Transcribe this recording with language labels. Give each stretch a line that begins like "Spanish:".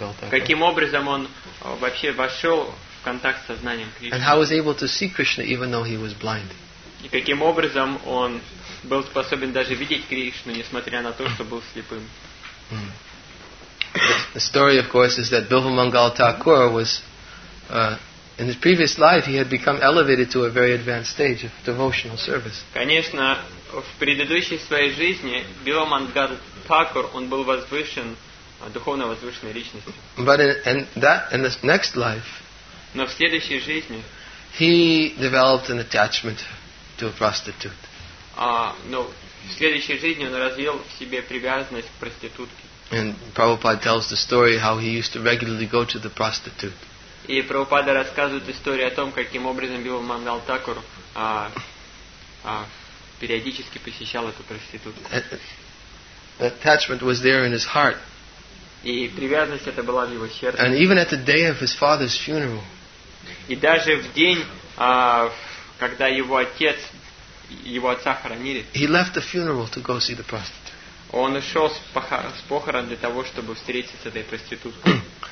Russian: Каким образом он вообще вошел в контакт с сознанием Кришны?
English: And how was able to see Krishna even though he was blind?
Russian: И каким образом он был способен даже видеть Кришну, несмотря на то, что был слепым?
English: The story, of course, is that Bilva Mangal Thakur was in his previous life he had become elevated to a very advanced stage of devotional service.
Russian: Конечно, в предыдущей своей жизни Bilva Mangal Thakur он был возвышен. Духовно возвышенной личности.
English: But in the next life,
Russian: но в следующей жизни,
English: he developed an attachment to a prostitute.
Russian: Но в следующей жизни он развил в себе привязанность к проститутке.
English: And Prabhupada tells the story how he used to regularly go to the prostitute.
Russian: И Прабхупада рассказывает историю о том, каким образом Бхактивинода Тхакур периодически посещал эту проститутку.
English: The attachment was there in his heart.
Russian: И привязанность это была в его сердце.
English: And even at the day of his father's funeral.
Russian: И даже в день, когда его отец, его отца хоронили.
English: He left the funeral to go see the prostitute.
Russian: Он ушел с похорон для того, чтобы встретиться с этой проституткой.